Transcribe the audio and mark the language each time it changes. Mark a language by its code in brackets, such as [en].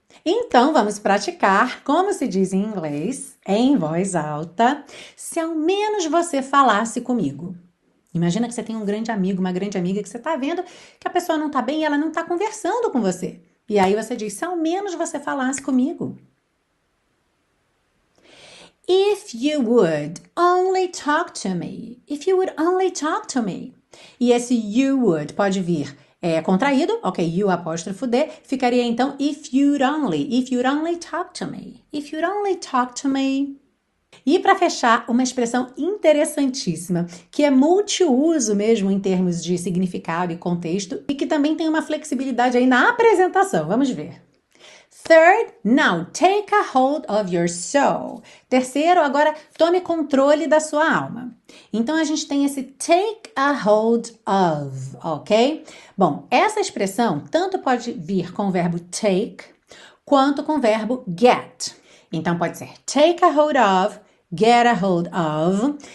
[pt] Então, vamos praticar como se diz em inglês, em voz alta, se ao menos você falasse comigo. Imagina que você tem um grande amigo, uma grande amiga, que você está vendo que a pessoa não está bem e ela não está conversando com você. E aí você diz: se ao menos você falasse comigo. [en] If you would only talk to me. If you would only talk to me. [pt] E esse you would pode vir contraído, ok? You apóstrofo D, ficaria então [en] if you'd only. If you'd only talk to me. If you'd only talk to me. [pt] E para fechar, uma expressão interessantíssima, que é multiuso mesmo em termos de significado e contexto, e que também tem uma flexibilidade aí na apresentação. Vamos ver. [en] Third, now take a hold of your soul. [pt] Terceiro, agora tome controle da sua alma. Então a gente tem esse take a hold of, ok? Bom, essa expressão tanto pode vir com o verbo take, quanto com o verbo get. Então pode ser [en] take a hold of. Get a hold of.